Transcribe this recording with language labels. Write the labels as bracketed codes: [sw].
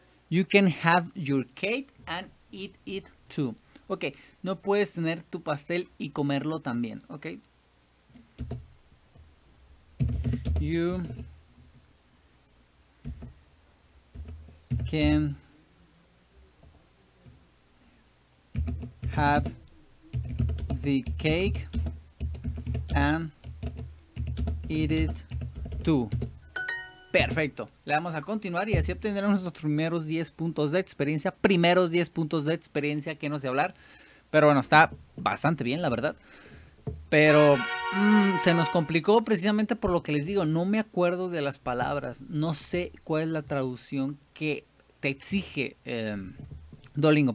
[en] You can have your cake and eat it too. [es] Ok, no puedes tener tu pastel y comerlo también, ¿ok? [en] You can have the cake and eat it too. [es] Perfecto, le vamos a continuar y así obtendremos nuestros primeros 10 puntos de experiencia. Primeros 10 puntos de experiencia, que no sé hablar. Pero bueno, está bastante bien, la verdad. Pero se nos complicó precisamente por lo que les digo. No me acuerdo de las palabras. No sé cuál es la traducción que te exige Duolingo.